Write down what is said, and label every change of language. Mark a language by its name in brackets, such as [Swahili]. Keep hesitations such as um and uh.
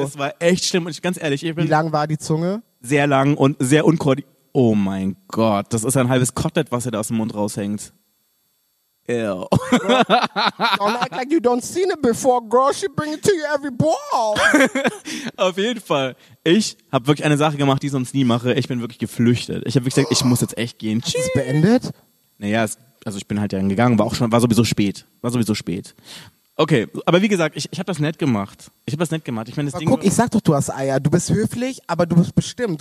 [German] Es war echt schlimm und ich, ganz ehrlich, ich Wie bin lang war die Zunge? sehr lang und sehr unkoordiniert. Oh mein Gott, das ist ein halbes Kotelett, was er da aus dem Mund raushängt. Ew. [English] Don't act like you don't seen it before, girl. She bring it to you every ball. [German] Auf jeden Fall. Ich habe wirklich eine Sache gemacht, die ich sonst nie mache. Ich bin wirklich geflüchtet. Ich habe wirklich gesagt, ich muss jetzt echt gehen. Ist Tschüss. es beendet? Naja, es, also ich bin halt dann gegangen, war auch schon, war sowieso spät. War sowieso spät. Okay, aber wie gesagt, ich, ich habe das nett gemacht. Ich habe das nett gemacht. Ich meine, das Ding. Guck, ich sag doch, du hast Eier. Du bist höflich, aber du bist bestimmt.